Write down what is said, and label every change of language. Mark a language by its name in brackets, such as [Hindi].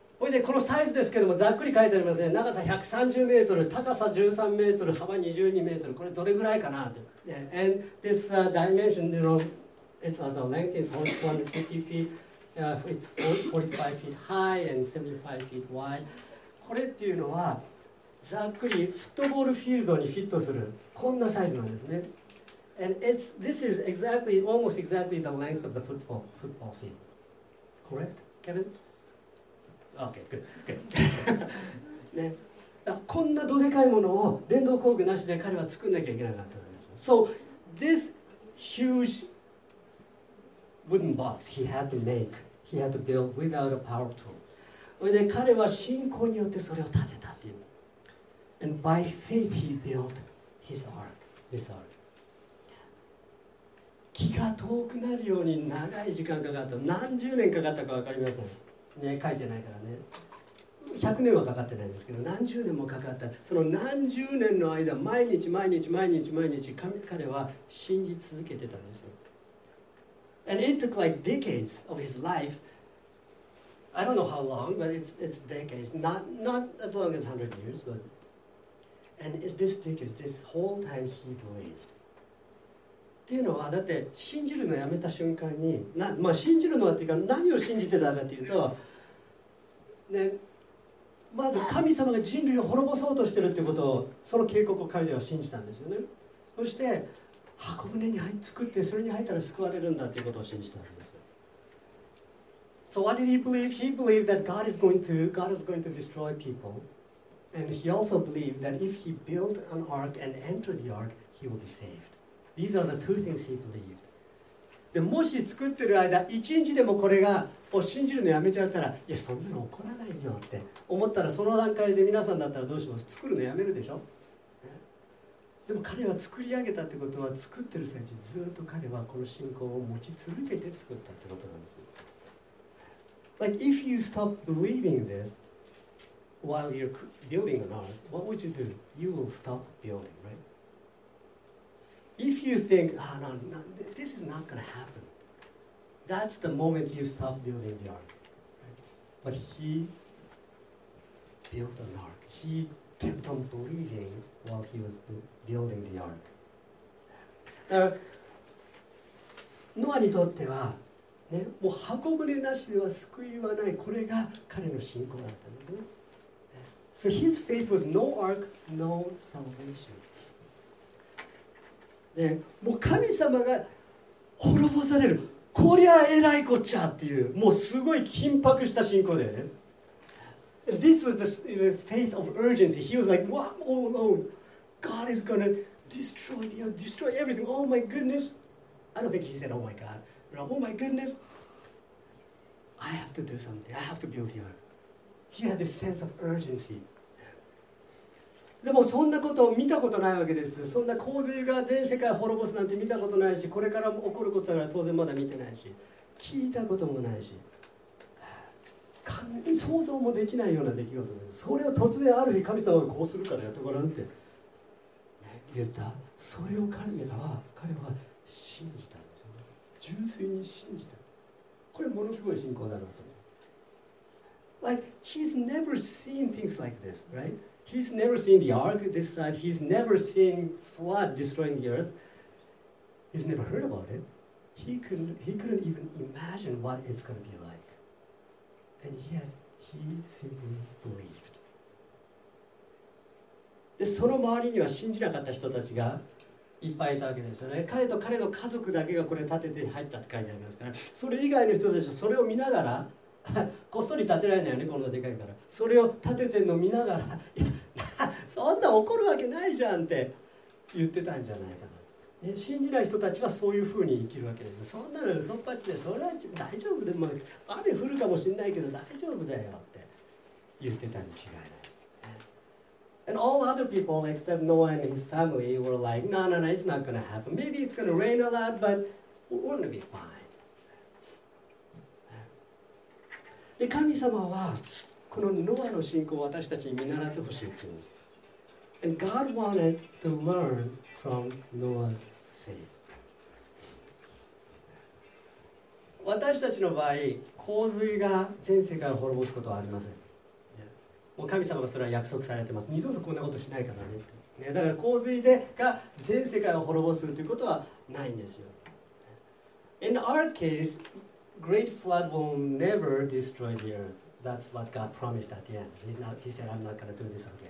[Japanese] でこのサイズですけども、ざっくり書いてありますね。長さ130メートル、高さ13メートル、幅22メートル。これどれぐらいかなと。 [English] Yeah. And this dimension, you know, it's, the length is 150 feet, it's 45 feet high and 75 feet wide. [Japanese] これっていうのは、ざっくりフットボールフィールドにフィットする、こんなサイズなんですね。 [English] And it's, this is exactly, almost exactly the length of the football field. Correct, Kevin? Okay, good, good. [Japanese] ね、こんなどでかいものを電動工具なしで彼は作んなきゃいけなかったんです。 [English] So this huge wooden box he had to make, he had to build without a power tool. [Japanese] それで彼は信仰によってそれを建てたっていう。 [English] And by faith he built his ark, this ark. [Japanese] 気が遠くなるように長い時間かかった。何十年かかったか分かりません。ね、書いてないからね。100年はかかってないんですけど、何十年もかかった。その何十年の間、毎日毎日毎日毎日彼は信じ続けてたんですよ。 [English] And it took like decades of his life. I don't know how long, but it's decades. Not as long as 100 years, but and it's this decades, this whole time he believed. [Japanese] っていうのはだって信じるのやめた瞬間にな、まあ、信じるのはっていうか何を信じてたかっていうと、ね、まず神様が人類を滅ぼそうとしてるってことをその警告を彼らは信じたんですよね。そして箱舟に作ってそれに入ったら救われるんだっていうことを信じたんです。 [English] So what did he believe? He believed that God is going to destroy people, and he also believed that if he built an ark and entered the ark, he will be savedThese are the two things he believed. [Japanese] でもし作ってる間1日でもこれがを信じるのやめちゃったら、いやそんなの起こらないよって思ったら、その段階で皆さんだったらどうします？作るのやめるでしょ。でも彼は作り上げたってことは、作ってる最中ずっと彼はこの信仰を持ち続けて作ったってことなんです。 [English] Like if you stop believing this, while you're building an art, what would you do? You will stop building, right? If you think, oh, no, no, this is not going to happen, that's the moment you stop building the ark. Right? But he built an ark. He kept on believing while he was building the ark. [Japanese] ノアにとっては、ね、もう箱舟なしでは救いはない。これが彼の信仰だったんですね。 [English] So his faith was no ark, no salvation. [Japanese] ね、もう神様が滅ぼされる、こりゃえらいこっちゃっていう、もうすごい緊迫した信仰だよね。 [English] This was the faith of urgency. He was like, "What? Oh no! God is gonna destroy the earth, destroy everything. Oh my goodness!" I don't think he said, "Oh my God," but "Oh my goodness!" I have to do something. I have to build here. He had this sense of urgency. [Japanese] でもそんなことを見たことないわけです。そんな洪水が全世界を滅ぼすなんて見たことないし、これからも起こることは当然まだ見てないし、聞いたこともないし、想像もできないような出来事です。それを突然ある日神様がこうするからやってごらんって、ね、言った。それを彼は信じたんですよ。純粋に信じた。これものすごい信仰だろうと。 [English] Like, he's never seen things like this, right? He's never seen the ark this side. He's never seen flood destroying the earth. He's never heard about it. He couldn't even imagine what it's going to be like. And yet, he simply believed. [Japanese] で、その周りには信じなかった人たちがいっぱいいたわけですよね。彼と彼の家族だけがこれ建てて入ったって書いてありますから、それ以外の人たちはそれを見ながらこっそり建てられないよね、こんなでかいから。それを建ててるのを見ながら、いや、そんな怒るわけないじゃんって言ってたんじゃないかな、ね、信じない人たちはそういうふうに生きるわけです。そんなのそっぱちで、それは大丈夫でも雨降るかもしれないけど大丈夫だよって言ってたに違いない、ね、 [English] And all other people except Noah and his family were like, No, no, no, it's not going to happen. Maybe it's going to rain a lot, but we're going to be fine. [Japanese] で神様はこのノアの信仰を私たちに見習ってほしいと。 [English] And God wanted to learn from Noah's faith. [Japanese] 私たちの場合、洪水が全世界を滅ぼすことはありません。もう神様がそれは約束されています。二度とこんなことしないからね。だから洪水でが全世界を滅ぼすということはないんですよ。 [English] In our case,Great flood will never destroy the earth. That's what God promised at the end. He said, I'm not going to do this again.